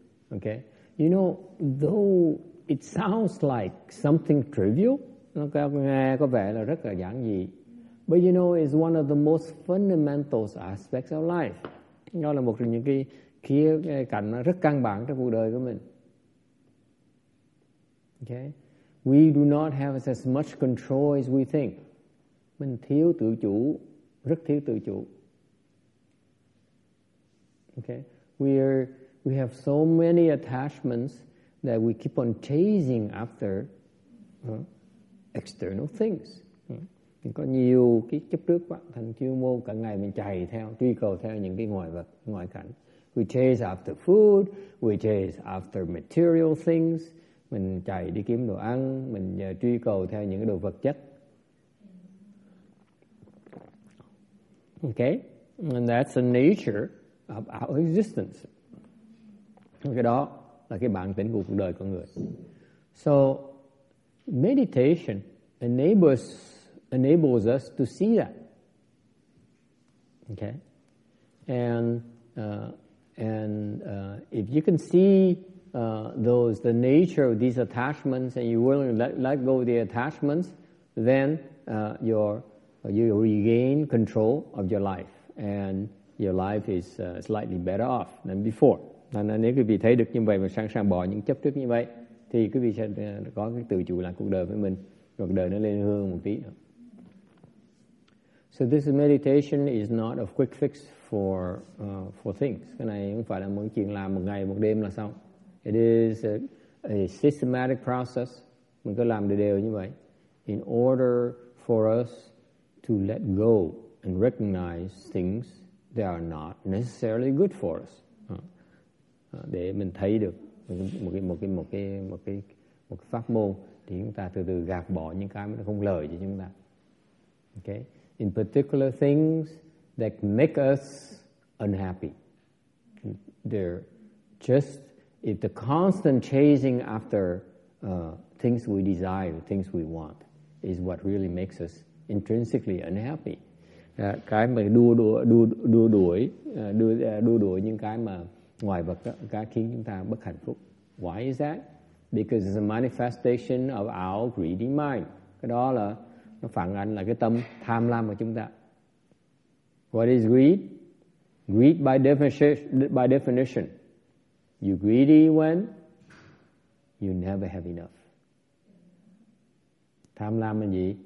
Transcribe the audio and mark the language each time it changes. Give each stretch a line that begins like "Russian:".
English: Okay, you know, though it sounds like something trivial,
Vietnamese: nó nghe có vẻ là rất là giản dị,
English: but you know, it's one of the most fundamental aspects of life.
Vietnamese: Nó là một trong những cái cạnh rất căn bản trong cuộc đời của mình.
English: Okay, we do not have as much control as we think.
Vietnamese: Mình thiếu tự chủ, rất thiếu tự chủ.
English: Okay, we have so many attachments that we keep on chasing after external things.
Vietnamese: Có nhiều cái chấp trước quá, thành chiêu mô cả ngày mình chạy theo, truy cầu theo những cái ngoại vật, ngoại cảnh.
English: We chase after food, we chase after material things.
Vietnamese: Mình chạy đi kiếm đồ ăn, mình truy cầu theo những cái đồ vật chất.
English: Okay, and that's the nature of our existence.
Vietnamese: Cái đó là cái bản tính của cuộc đời con người.
English: So, meditation enables us to see that. Okay? And if you can see the nature of these attachments and you willing to let go of the attachments, then you regain control of your life. And your life is slightly better off than before.
Vietnamese: Nên nếu quý vị thấy được như vậy và sẵn sàng bỏ những chấp trước như vậy, thì quý vị sẽ có cái tự chủ lại cuộc đời với mình, cuộc đời nó lên hương một tí nữa.
English: So this meditation is not a quick fix for things.
Vietnamese: Cái này không phải là một chuyện làm một ngày một đêm là xong.
English: It is a systematic process.
Vietnamese: Mình cứ làm đều như vậy.
English: In order for us to let go and recognize things that are not necessarily good for us.
Vietnamese: Để mình thấy được một cái pháp môn thì chúng ta từ từ gạt bỏ những cái mà không lợi cho chúng ta.
English: Okay. In particular, things that make us unhappy. They're just, if the constant chasing after things we desire, things we want, is what really makes us intrinsically unhappy.
Vietnamese: Cái mà đua đuổi những cái mà ngoài vật đó, cái khiến chúng ta bất hạnh phúc.
English: Why is that? Because it's a manifestation of our greedy mind.
Vietnamese: Cái đó là nó phản ánh là cái tâm tham lam của chúng ta.
English: What is greed? Greed by definition. You're greedy when you never have enough.
Vietnamese: Tham lam là gì?